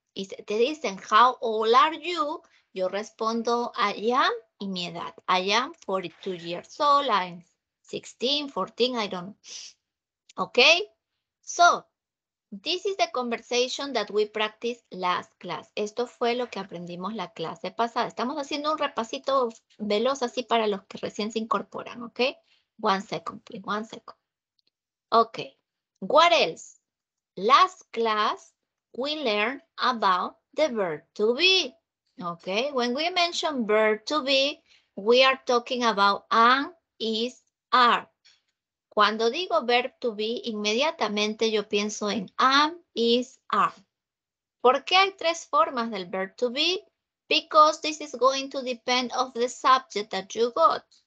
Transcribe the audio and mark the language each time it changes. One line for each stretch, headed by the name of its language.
Spanish: Y si te dicen
English: how old are you,
Spanish: yo respondo
English: I am
Spanish: y mi edad.
English: I am 42 years old, I'm 16, 14, I don't know. Ok, so. This is the conversation that we practiced last class.
Spanish: Esto fue lo que aprendimos la clase pasada. Estamos haciendo un repasito veloz así para los que recién se incorporan, ¿ok?
English: One second, please, one second. Ok, what else? Last class, we learned about the verb to be. Ok, when we mention verb to be, we are talking about am, is, are.
Spanish: Cuando digo verb to be, inmediatamente yo pienso en am, is, are. ¿Por qué hay tres formas del verb to be?
English: Because this is going to depend of the subject that you got.